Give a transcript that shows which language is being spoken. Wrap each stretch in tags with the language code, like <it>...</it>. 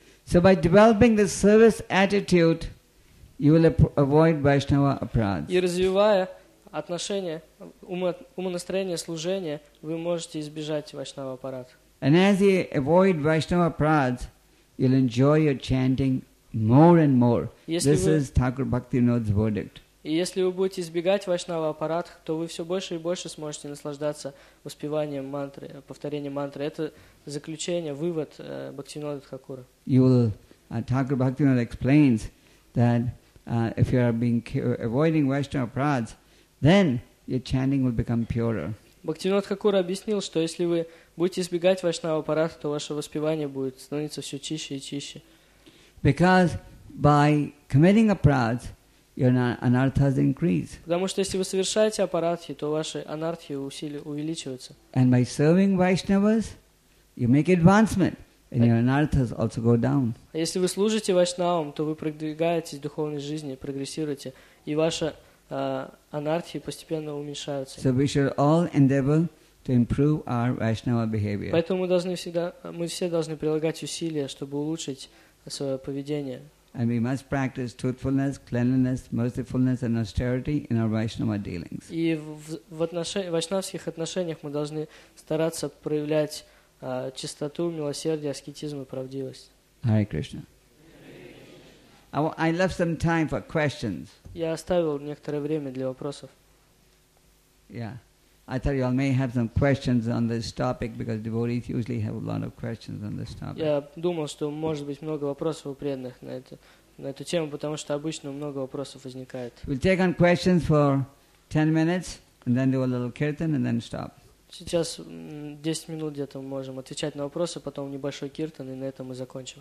<en>So by developing this service attitude, you will avoid Vaishnava apradhas.</en> <ru>И развивая отношения, умонастроение, служение, вы можете избежать вайшнава апарад.</ru> <en>And as you avoid vaishnava prads, you'll enjoy your chanting more and more. This is Thakur Bhaktivinoda's verdict.</en> <ru>И если вы будете избегать вайшнава апарад, то вы все больше и больше сможете наслаждаться воспеванием мантры, повторением мантры. Это заключение, вывод Бхактивинода Тхакура.</ru> <en>Thakur Bhaktivinoda explains that If you are being avoiding Vaishnava prads, then your chanting will become purer.</en> <ru>Бхактивинод Хакур объяснил, что если вы будете избегать Вайшнава парад, то ваше воспевание будет становиться все чище и чище.</ru> <en>Because by committing a prad, your anarthas increase.</en> <ru>Потому что если вы совершаете апарадхи, то ваши анартхи увеличиваются.</ru> <en>And by serving Vaishnavas, you make advancement, and your anarthas also go down.</en> <ru>А если вы служите Вайшнавам, то вы продвигаетесь в духовной жизни, прогрессируете, и ваша анартхи постепенно уменьшаются.</ru> <en>So we should all endeavor to improve our Vaishnava behavior.</en> <ru>Поэтому мы все должны прилагать усилия, чтобы улучшить свое поведение.</ru> <en>And we must practice truthfulness, cleanliness, mercifulness, and austerity in our Vaishnava dealings.</en> <ru>И в вайшнавских отношениях мы должны стараться проявлять чистоту, милосердие, аскетизм и правдивость.</ru> <en>Hare Krishna. I left some time for questions.</en> <ru>Я оставил некоторое время для вопросов.</ru> <en>Yeah. I thought you all may have some questions on this topic because devotees usually have a lot of questions on this topic.</en> <ru>Я думал, что может быть много вопросов у преданных на эту тему, потому что обычно много вопросов возникает.</ru> <en>We'll take on questions for 10 minutes and then do a little kirtan and then stop.</en> <ru>Сейчас 10 минут где-то мы можем отвечать на вопросы, потом небольшой киртан, и на этом мы закончим.</ru>